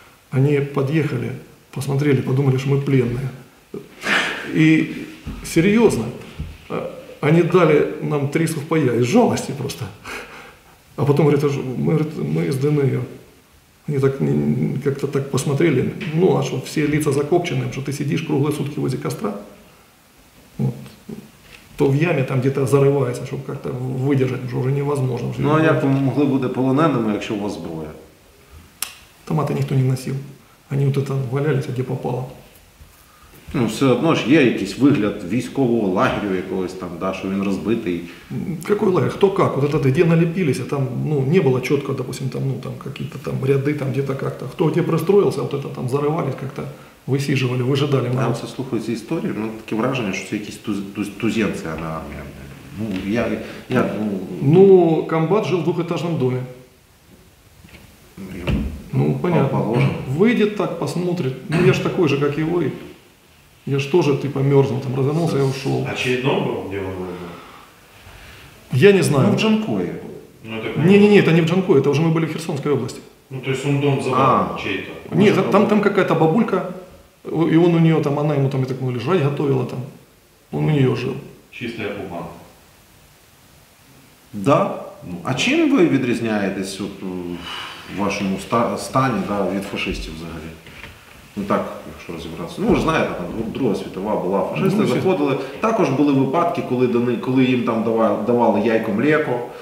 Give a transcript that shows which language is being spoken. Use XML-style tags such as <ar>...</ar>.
<ru>Они подъехали, посмотрели, подумали, что мы пленные. И серьезно, они дали нам 3 сухпая из жалости просто. А потом говорят, мы из ДНР. Они так как-то так посмотрели, ну а что, все лица закопчены, что ты сидишь круглые сутки возле костра.</ru> <uk>хто в ямі, там дітей заривається, щоб як-то видержати, вже невозможно. Ну а як ви могли бути полоненими, якщо у вас зброя? Автомати ніхто не носив. Вони от там валялися, де попало. Ну, все одно ж є якийсь вигляд військового лагеря якогось там, да, що він розбитий. Який лагер? Хто як? От це, де наліпилися, там, ну, не було чітко, допустим, там, ну, там, якісь там ряди, там, де-то як-то. Хто де пристроївся, от це там заривались, як-то висіжували, вижидали. Я все слухаю ці історії, ну, таке враження, що це якісь тузенці, а не армія. Ну, я, ну... Ну, комбат жив в двухэтажному домі.</uk> <ru>Ну, понятно. Положено.</ru> <uk>Вийде так,</uk> <ru>посмотрит. Ну, я ж такой же,</ru> <uk>як і ви. Я ж теж, типа, мерзнув, там розвернувся, я ушел. Очередно був, де він був? Я не знаю. Ну, в Джанкої. Ні, це не в Джанкої, це вже ми були в Херсонській області.</uk> <ru>Ну, то есть он дом забрал чей-то? Ні, там какая-то бабулька, и он у нее там, она ему там, я так думаю, лежать готовила там. Он у нее жил. Чистая бумага. Да.</ru> <uk>Ну, а чим ви відрізняєтесь от, в вашому стані, да, від фашистів взагалі? Ну так, якщо розібратися. Ну, ви ж знаєте, там, Друга світова була, фашисти заходили. Також були випадки, коли їм там давали яйко млєко.</uk>